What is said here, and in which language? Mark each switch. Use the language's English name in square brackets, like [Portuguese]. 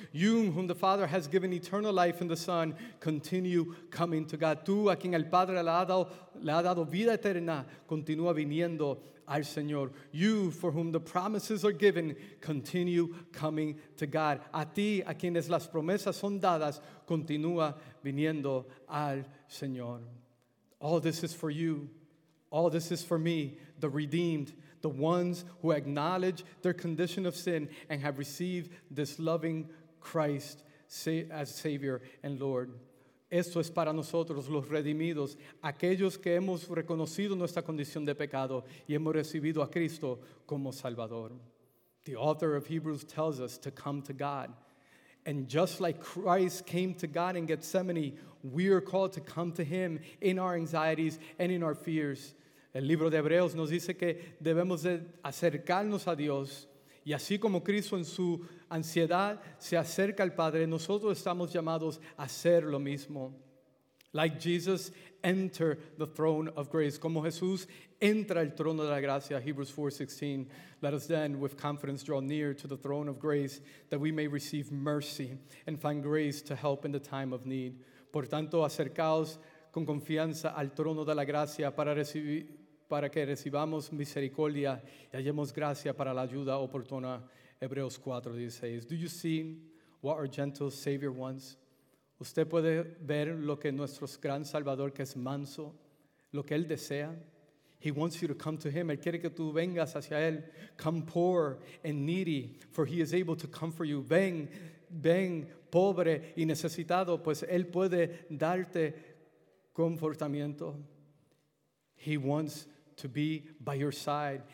[English] You whom the Father has given eternal life in the Son, continue coming to God. [Spanish] Tú a quien el Padre le ha dado vida eterna, continúa viniendo al Señor. [English] You for whom the promises are given, continue coming to God. [Spanish] A ti a quienes las promesas son dadas, continúa viniendo al Señor. [English] All this is for you. All this is for me, the redeemed, the ones who acknowledge their condition of sin and have received this loving Christ as Savior and Lord. [Spanish] Esto es para nosotros, los redimidos, aquellos que hemos reconocido nuestra condición de pecado y hemos recibido a Cristo como Salvador. [English] The author of Hebrews tells us to come to God. And just like Christ came to God in Gethsemane, we are called to come to Him in our anxieties and in our fears. [Spanish] El libro de Hebreos nos dice que debemos de acercarnos a Dios. Y así como Cristo en su ansiedad se acerca al Padre, nosotros estamos llamados a hacer lo mismo. [English] Like Jesus, enter the throne of grace. [Spanish] Como Jesús, entra al trono de la gracia. [English] Hebrews 4:16. Let us then with confidence draw near to the throne of grace that we may receive mercy and find grace to help in the time of need. [Spanish] Por tanto, acercaos con confianza al trono de la gracia para recibir para que recibamos misericordia y hallemos gracia para la ayuda oportuna. Hebreos 4:16. [English] Do you see what our gentle Savior wants? [Spanish] ¿Usted puede ver lo que nuestro gran Salvador, que es manso, lo que Él desea? [English] He wants you to come to Him. [Spanish] Él quiere que tú vengas hacia Él. [English] Come poor and needy, for He is able to comfort you. [Spanish] Ven, ven, pobre y necesitado, pues Él puede darte confortamiento. [English] He wants to be by your side.